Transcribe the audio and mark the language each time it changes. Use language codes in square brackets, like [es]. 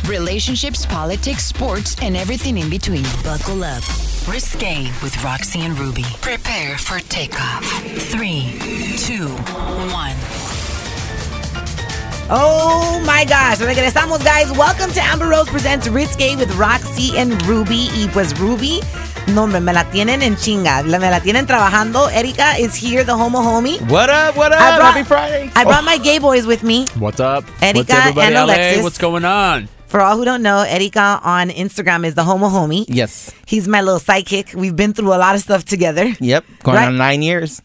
[en] relationships, politics, sports, and everything in between. Buckle up. Risqué with Roxy and Ruby. Prepare for takeoff. 3, 2, 1. Oh my gosh, [es] regresamos [en] guys. Welcome to Amber Rose Presents Risqué with Roxy and Ruby. [es] Y pues Ruby, nombre, me la tienen en chinga. Me la tienen trabajando. [en] Erika is here, the homo homie. What up? Happy Friday. I brought my gay boys with me. What's up? Erika and Alexis. What's going on? For all who don't know, Erika on Instagram is the homo homie. Yes. He's my little sidekick. We've been through a lot of stuff together. Yep. Going on 9 years.